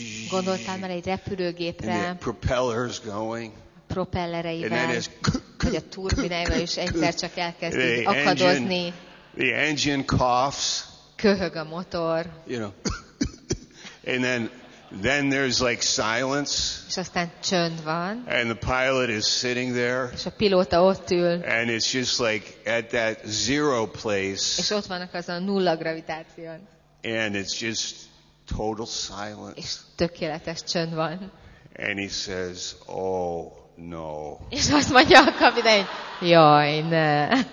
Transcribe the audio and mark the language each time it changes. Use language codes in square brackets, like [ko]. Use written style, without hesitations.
[hu] Gondoltál már egy repülőgépre? [en] And the propellers going. [hu] Propellereivel. [en] And then [hu] a turbinával is egyszer csak elkezd akadozni. [en] The engine coughs. [hu] Köhög a motor. [en] You know. And then there's like silence. [hu] És aztán csönd van. [en] And the pilot is sitting there. [hu] És a pilóta ott ül. [en] And it's just like at that zero place. [hu] És ott vannak az a nulla gravitáción. [en] And it's just total silence. [hu] És tökéletes csönd van. [en] And he says, oh no. [hu] És azt mondja a kapitány, jaj, ne.